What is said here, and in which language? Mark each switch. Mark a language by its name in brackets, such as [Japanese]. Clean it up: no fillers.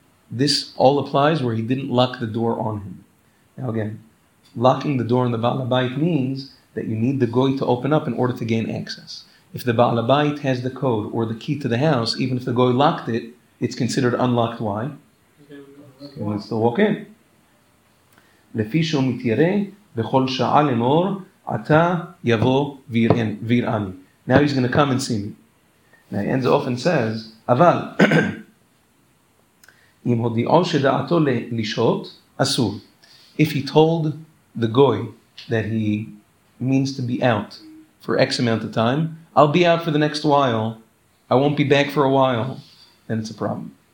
[English] This all applies where he didn't lock the door on him. Now again, locking the door on the Ba'al HaBayit means that you need the goy to open up in order to gain access. If the Ba'al HaBayit has the code or the key to the house, even if the goy locked it, it's considered unlocked. Why? He wants to walk in. [Hebrew] לפי שהוא מתיירא בכל שעה למור, אתה יבוא ויראני. [English] Now he's going to come and see me. Now he ends off and says, [Hebrew] אבל אם הודיעו שדעתו לשהות, אסור. [English] If he told the goy that he means to be out for X amount of time, I'll be out for the next while, I won't be back for a while, then it's a problem.